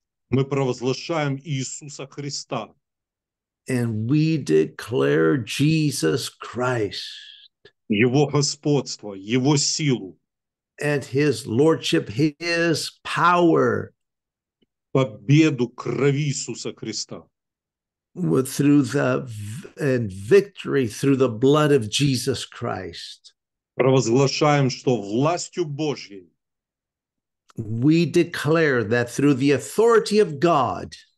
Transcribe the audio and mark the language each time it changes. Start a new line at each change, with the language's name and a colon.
Russian: Мы провозглашаем Иисуса Христа.
English: And we declare Jesus Christ.
Russian: Его господство, его силу.
English: And his lordship, his power.
Russian: Победу крови Иисуса Христа.
English: And victory through the blood of Jesus Christ.
Russian: Провозглашаем, что властью Божьей.
English: We declare that through the authority of God.